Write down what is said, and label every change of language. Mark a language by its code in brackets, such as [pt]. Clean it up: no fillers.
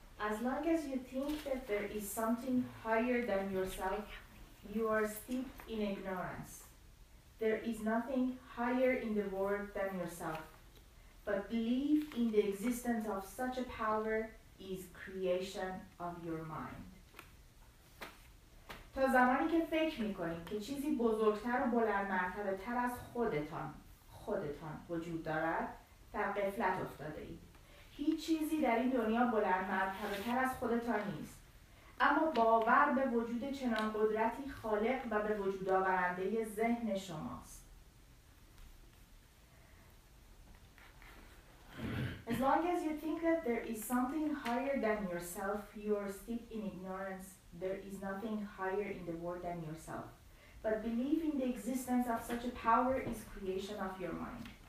[en] As long as you think that there is something higher than yourself, you are steeped in ignorance. There is nothing higher in the world than yourself. But belief in the existence of such a power is creation of your mind. [fa] تا زمانی که فکر میکنید که چیزی بزرگتر و بلند مرتبه تر از خودتان وجود دارد، در غفلت افتاده اید. هیچ چیزی در این دنیا بلند مرتبه تر از خودتان نیست. اما باور به وجود چنان قدرتی خالق و به وجود آورنده ذهن شماست. [en] As long as you think that there is something higher than yourself, you are steeped in ignorance. There is nothing higher in the world than yourself. But belief in the existence of such a power is creation of your mind.